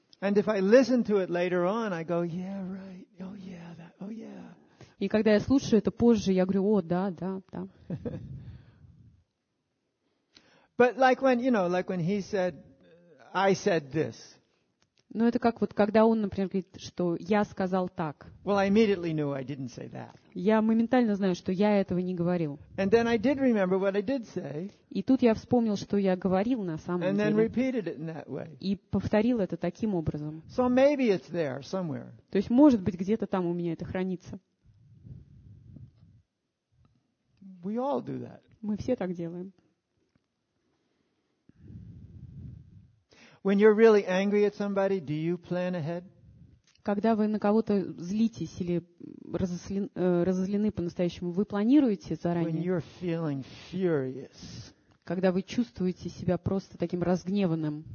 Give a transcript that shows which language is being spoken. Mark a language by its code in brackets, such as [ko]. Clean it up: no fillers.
[en] And if I listen to it later on, I go, yeah, right, oh yeah, that, oh yeah. [ru] И когда я слушаю это позже, я говорю, о, да, да, да. [en] But like when, you know, like when he said, I said this. [ru] Ну, это как вот, когда он, например, говорит, что я сказал так. [en] Well, I immediately knew I didn't say that. [ru] Я моментально знаю, что я этого не говорил. [en] And then I did remember what I did say. [ru] И тут я вспомнил, что я говорил на самом [en] And [ru] деле. [en] Then repeated it in that way. [ru] И повторил это таким образом. [en] So maybe it's there somewhere. [ru] То есть, может быть, где-то там у меня это хранится. [en] We all do that. [ru] Мы все так делаем. [en] When you're really angry at somebody, do you plan ahead? [ru] Когда вы на кого-то злитесь или разозлены по-настоящему, вы планируете заранее? [en] When you're feeling furious. [ru] Когда вы чувствуете себя просто таким разгневанным.